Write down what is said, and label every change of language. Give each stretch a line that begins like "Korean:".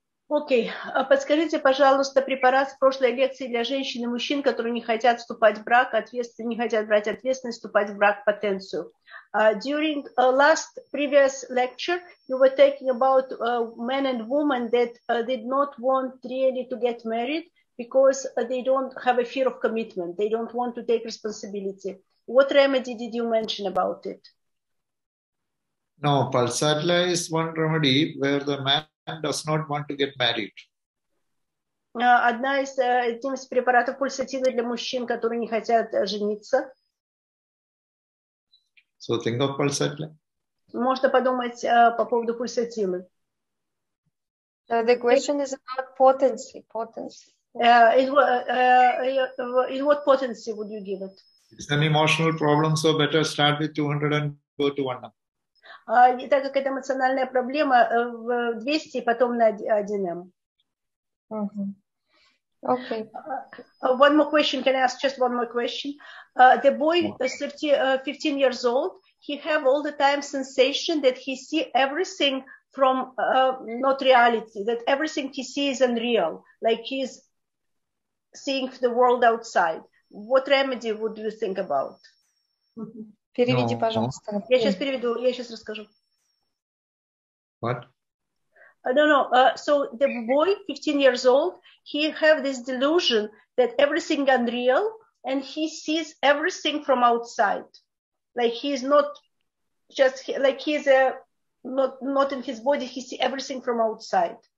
Russian: Окей, подскажите, пожалуйста, препарат с прошлой лекции для женщин и мужчин, которые не хотят вступать в брак, не хотят брать ответственность, вступать в брак, потенцию.
English: During last previous lecture, you were talking about men and women that did not want really to get married because they don't have a fear of commitment, they don't want to take responsibility. What remedy did you mention about it? No, Pulsatilla is one remedy where the man does not want to get married.
Russian: Одна из этих препаратов пульсатилы для мужчин, которые не хотят жениться.
English: So think of Pulsatilla.
Russian: Можно подумать по поводу пульсатилы.
English: The question is about potency. Potency. In what potency would you give it? It's an emotional problem, so better start with 200 and go to 1.
Russian: И так как это эмоциональная проблема, в 200 и потом на 1М.
English: Okay. One more question. Can I ask just one more question? The boy is 15 years old. He have all the time sensation that he see everything from not reality, that everything he see is unreal, like he's seeing the world outside. What remedy would you think about?
Russian: Переведи, no, пожалуйста.
English: No.
Russian: Я сейчас переведу, я сейчас расскажу.
English: What? So the boy, 15 years old, he have this delusion that everything unreal and he sees everything from outside. Like he is not just, like he is not in his body, he sees everything from outside.